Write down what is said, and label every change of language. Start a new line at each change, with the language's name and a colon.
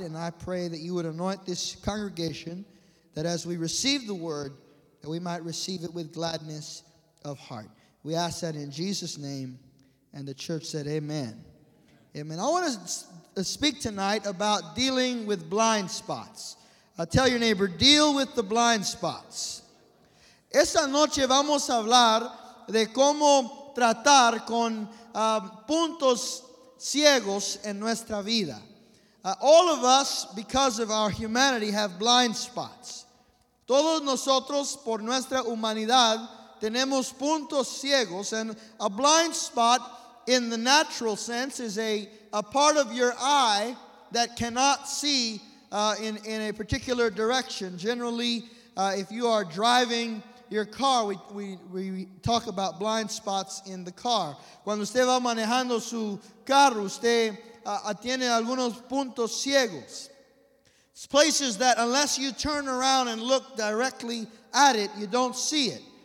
English: And I pray that you would anoint this congregation, that as we receive the word, that we might receive it with gladness of heart. We ask that in Jesus' name, and the church said amen. Amen. I want to speak tonight about dealing with blind spots. Tell your neighbor, deal with the blind spots.
Spanish: Esta noche vamos a hablar de cómo tratar con puntos ciegos en nuestra vida.
English: All of us, because of our humanity, have blind spots.
Spanish: Todos nosotros, por nuestra humanidad, tenemos puntos ciegos,
English: and a blind spot in the natural sense is a part of your eye that cannot see in a particular direction. Generally, if you are driving your car, we talk about blind spots in the car.
Spanish: Cuando usted va manejando su carro, usted tiene algunos puntos ciegos.
English: It's places that unless you turn around and look directly at it, you don't see it.